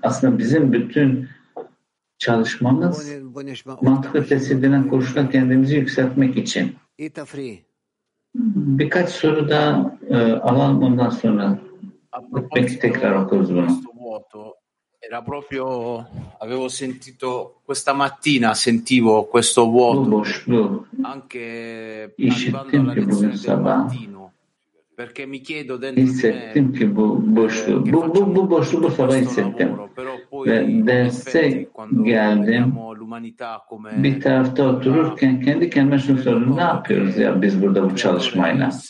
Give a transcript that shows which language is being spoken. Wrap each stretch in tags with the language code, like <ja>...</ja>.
<tr>Aslında bizim bütün çalışmamız mantık ötesi denen koşula kendimizi yükseltmek için. Birkaç soru daha alalım, ondan sonra belki tekrar okuruz bunu.</tr> <it>Era proprio, avevo sentito questa mattina, sentivo questo vuoto anche arrivando alla lezione del mattino. Perché mi chiedo</it> <tr>hissettim ki bu boşluğu, bu boşluğu bu sabah hissettim. Ve derse geldim, bir tarafta otururken kendi kendime şunu sordum, ne yapıyoruz ya biz burada bu çalışmayla?</tr>